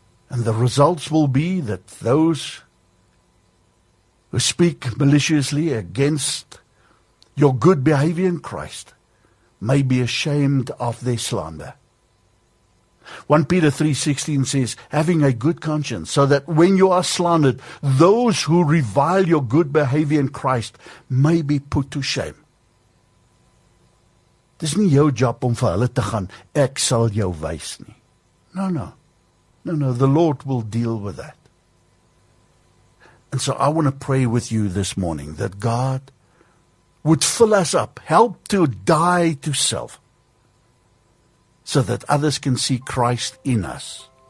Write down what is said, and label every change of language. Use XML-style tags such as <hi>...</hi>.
<en>And the results will be that those who speak maliciously against your good behavior in Christ may be ashamed of their slander. 1 Peter 3:16 says, having a good conscience, so that when you are slandered, those who revile your good behavior in Christ may be put to shame.</en> <af>Dis nie jou job om vir hulle te gaan, ek sal jou wys nie.</af> <en>No, no. No, no, the Lord will deal with that. And so I want to pray with you this morning that God would fill us up, help to die to self, so that others can see Christ in us.</en>